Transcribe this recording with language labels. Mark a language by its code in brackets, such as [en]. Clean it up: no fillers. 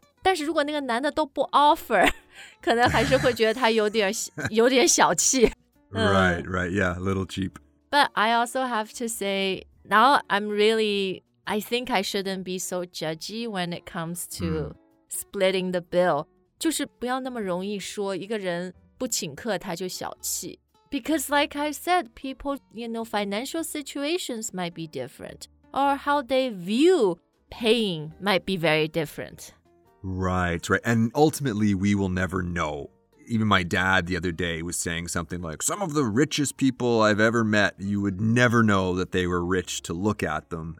[zh] 但是如果那个男的都不 offer, 可能还是会觉得他有点, 有点小气。 [en] Right, right, yeah, a little cheap. But I also have to say, now I'm really, I think I shouldn't be so judgy when it comes to splitting the bill. [zh] 就是不要那么容易说一个人不请客他就小气。 [en] Because like I said, people, you know, financial situations might be different. Or how they view paying might be very different. Right, right. And ultimately, we will never know. Even my dad the other day was saying something like, some of the richest people I've ever met, you would never know that they were rich to look at them.